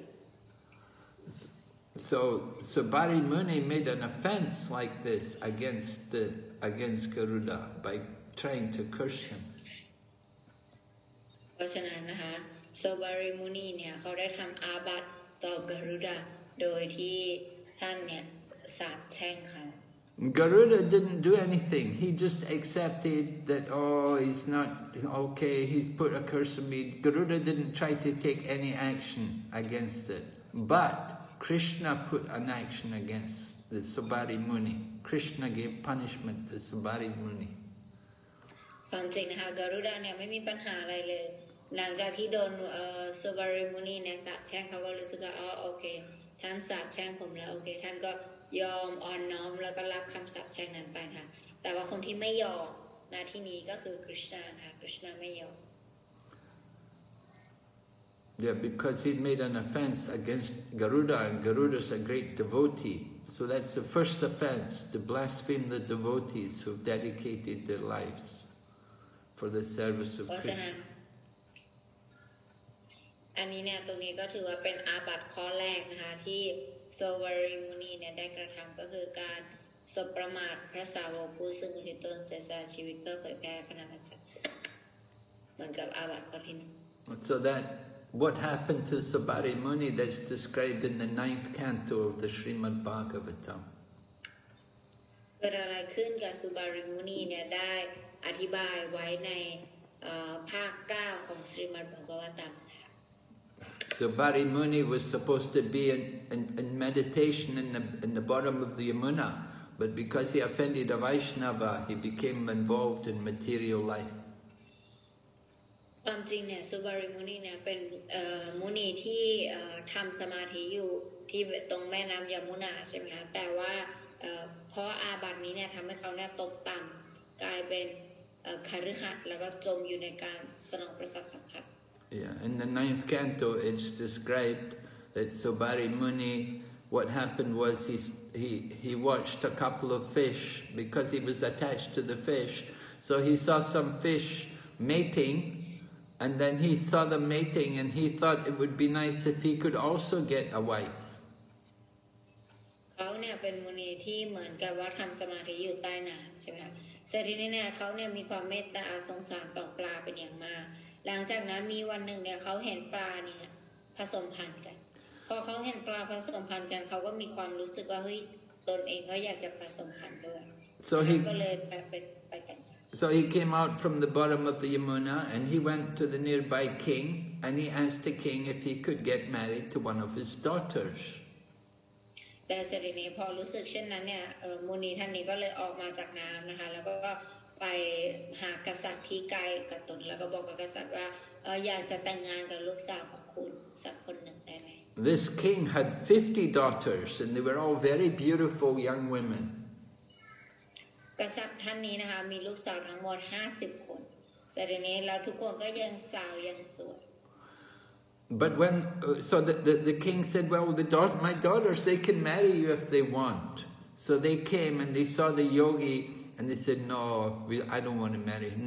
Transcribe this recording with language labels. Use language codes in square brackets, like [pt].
[en] So Bari Muni made an offense like this against Garuda by trying to curse him. [th] เพราะฉะนั้นนะคะ So Bari Muni เนี่ยเขาได้ทำอาบัติต่อกรุดาโดยที่ท่านเนี่ยสาปแช่งเขา [en] Garuda didn't do anything. He just accepted that, oh, he's not okay, he's put a curse on me. Garuda didn't try to take any action against it. But Krishna put an action against the Subari Muni. Krishna gave punishment to Subari Muni. Garuda didn't have any problem. After he got Subari Muni, he said, oh, okay, he's got a curse on me, okay, he's got... [th] ยอมอ่อนน้อมแล้วก็รับคำสาปแช่งนั้นไปค่ะแต่ว่าคนที่ไม่ยอมนะที่นี้ก็คือคริชนาค่ะคริชนาไม่ยอม [en] Yeah because he made an offense against Garuda and Garuda's a great devotee so that's the first offense to blaspheme the devotees who have dedicated their lives for the service of Krishna [th] อันนี้เนี่ยตรงนี้ก็ถือว่าเป็นอาบัติข้อแรกนะคะที่โซวาริมุนีเนี่ยได้กระทำก็คือการสบประมาทพระสาวกผู้ซึ่งมีตนเสียสละชีวิตเพื่อเผยแพร่พระนามสัตว์เหมือนกับอาบัติข้อที่หนึ่ง [en] So that what happened to Subari Muni that's described in the ninth canto of the Srimad Bhagavatam [th] เกิดอะไรขึ้นกับสุบาริมุนีเนี่ยได้อธิบายไว้ในภาคเก้าของศรีมัทบากวาตาม [en] So Bari Muni was supposed to be in meditation in the bottom of the Yamuna, But because he offended a Vaishnava, he became involved in material life. [th] ความจริงเนี่ยสุบริมุนีเนี่ยเป็นมุนีที่ทำสมาธิอยู่ที่ตรงแม่น้ำยมุนาใช่ไหมคะแต่ว่าเพราะอาบัตินี้เนี่ยทำให้เขาเนี่ยตกต่ำกลายเป็นคฤหัสถ์แล้วก็จมอยู่ในการสนองประสาทสัมผัส [en] Yeah, in the ninth canto, it's described that Subari Muni, what happened was he watched a couple of fish because he was attached to the fish. So he saw some fish mating, and then he saw them mating, and he thought it would be nice if he could also get a wife. [th] เขาเนี่ยเป็นมุนีที่เหมือนกับว่าทำสมาธิอยู่ใต้น้ำใช่ไหมครับ เสร็จทีนี้เนี่ยเขาเนี่ยมีความเมตตาสงสารต่อปลาเป็นอย่างมากหลังจากนั้นมีวันหนึ่งเนี่ยเขาเห็นปลาเนี่ยผสมพันธุ์กันพอเขาเห็นปลาผสมพันธุ์กันเขาก็มีความรู้สึกว่าเฮ้ยตนเองก็อยากจะผสมพันธุ์ด้วย [en] so he [th] ก็เลยไปกัน [en] so he came out from the bottom of the Yamuna and he went to the nearby king and he asked the king if he could get married to one of his daughters [th] แต่เสร็จนี้พอรู้สึกเช่นนั้นเนี่ยมุนีท่านนี้ก็เลยออกมาจากน้ำนะคะแล้วก็ไปหากษัตริย์ที่ไกลกับตนแล้วก็บอกกับกษัตริย์ว่าอยากจะแต่งงานกับลูกสาวของคุณสักคนหนึ่งได้ไหม [en] This king had 50 daughters and they were all very beautiful young women [th] กษัตริย์ท่านนี้นะคะมีลูกสาวทั้งหมด50คนแต่ทีนี้เราทุกคนก็ยังสาวยังสวย [en] But when so the king said well the daughter my daughters they can marry you if they want so they came and they saw the yogiAnd they said, no, I don't want to marry him.